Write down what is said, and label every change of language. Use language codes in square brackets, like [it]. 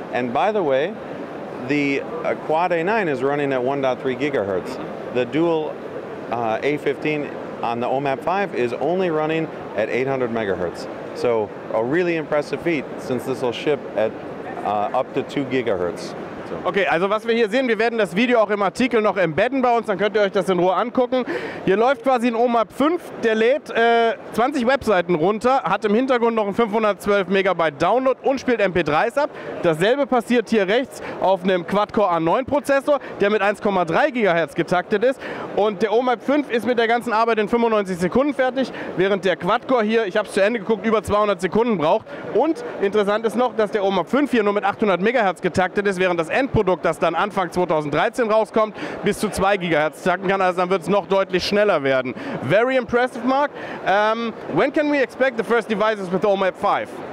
[en] And by the way, the Quad A9 is running at 1.3 gigahertz. The dual A15 on the OMAP 5 is only running at 800 megahertz. So a really impressive feat, since this will ship at up to 2 gigahertz. [de] Okay, also was wir hier sehen, wir werden das Video auch im Artikel noch embedden bei uns, dann könnt ihr euch das in Ruhe angucken. Hier läuft quasi ein OMAP 5, der lädt 20 Webseiten runter, hat im Hintergrund noch einen 512 Megabyte Download und spielt MP3s ab. Dasselbe passiert hier rechts auf einem Quad-Core A9 Prozessor, der mit 1,3 GHz getaktet ist. Und der OMAP 5 ist mit der ganzen Arbeit in 95 Sekunden fertig, während der Quad-Core hier, ich habe es zu Ende geguckt, über 200 Sekunden braucht. Und interessant ist noch, dass der OMAP 5 hier nur mit 800 MHz getaktet ist, während das Endprodukt, das dann Anfang 2013 rauskommt, bis zu 2 GHz takten kann, also dann wird es noch deutlich schneller werden. [en] Very impressive, Mark. When can we expect the first devices with OMAP 5?